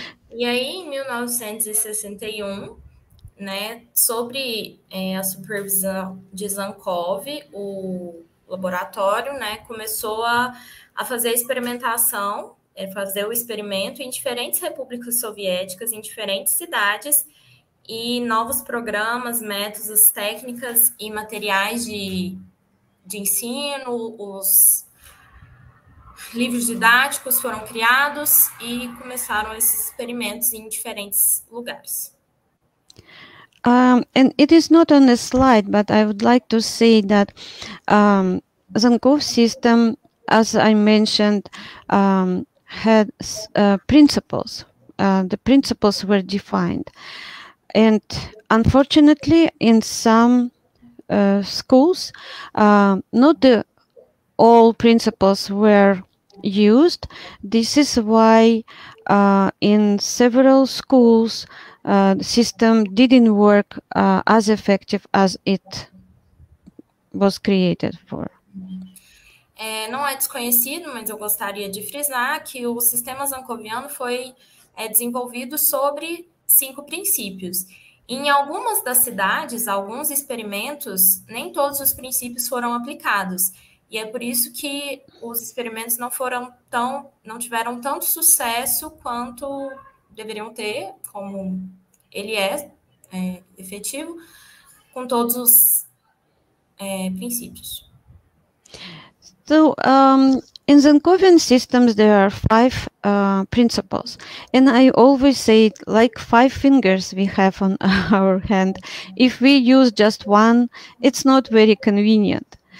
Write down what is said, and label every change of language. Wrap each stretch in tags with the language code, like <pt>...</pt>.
<pt>E aí, em 1961, né, sobre a supervisão de Zankov, o laboratório, né, começou a fazer a experimentação, fazer o experimento em diferentes repúblicas soviéticas, em diferentes cidades, e novos programas, métodos, técnicas e materiais de ensino, os livros didáticos foram criados e começaram esses experimentos em diferentes lugares.</pt> <en>And it is not on the slide, but I would like to say that Zenkov system, as I mentioned, had principles. The principles were defined. And unfortunately, in some schools, not the, all principles were used. This is why in several schools, the system didn't work as effective as it was created for.</en> <pt>Não é desconhecido, mas eu gostaria de frisar que o sistema Zankoviano foi desenvolvido sobre cinco princípios. Em algumas das cidades, alguns experimentos, nem todos os princípios foram aplicados. E é por isso que os experimentos não tiveram tanto sucesso quanto deveriam ter, como ele é efetivo, com todos os princípios.</pt> <en>So, in Zenkovian systems, there are five principles, and I always say, like five fingers we have on our hand. If we use just one, it's not very convenient.</en>